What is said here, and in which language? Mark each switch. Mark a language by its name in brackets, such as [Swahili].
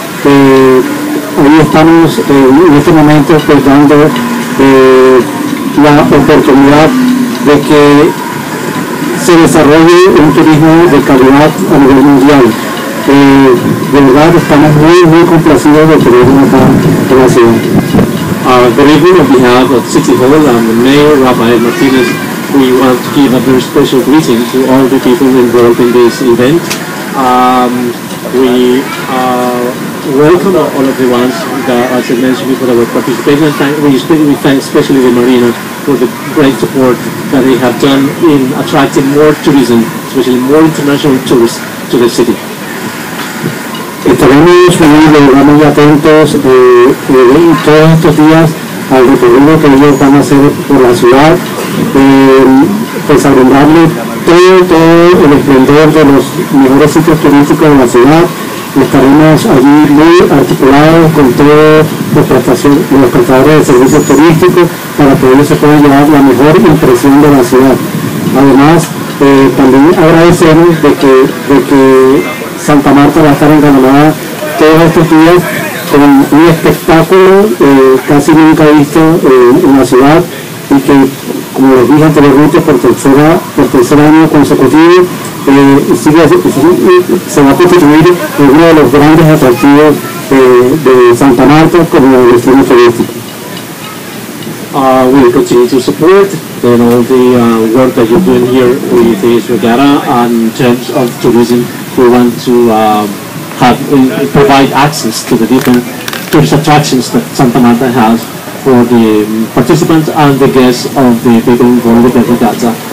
[Spanish] Hoy estamos en este momento pues, dando la oportunidad de que se desarrolle un turismo de calidad a nivel mundial. De verdad estamos muy muy complacidos de tenerlo acá en la ciudad. [English] Good evening, on behalf of City Hall and the Mayor Rafael Martínez, we want to give a very special greeting to all the people involved in this event. Welcome all of the ones that, as I mentioned before, were participating. We thank especially the Marina for the great support that they have done in attracting more tourism, especially more international tourists to the city. [Spanish] Estaremos muy atentos todos estos días al recorrido que ellos van a hacer por la ciudad, pues a brindarle todo el esplendor de los mejores sitios turísticos de la ciudad. Estaremos allí muy articulados con todos los prestadores de servicios turísticos para que ellos se puedan llevar la mejor impresión de la ciudad. Además, también agradecemos de que Santa Marta va a estar engalanada todos estos días con un espectáculo casi nunca visto en la ciudad, y que, como les dije anteriormente, por tercer año consecutivo se va a constituir uno de los grandes atractivos de Santa Marta como destino turístico. [English] We will continue to support and all the work that you're doing here with this regatta in terms of tourism. We want to provide access to the different tourist attractions that Santa Marta has for the participants and the guests of the people involved with the regatta.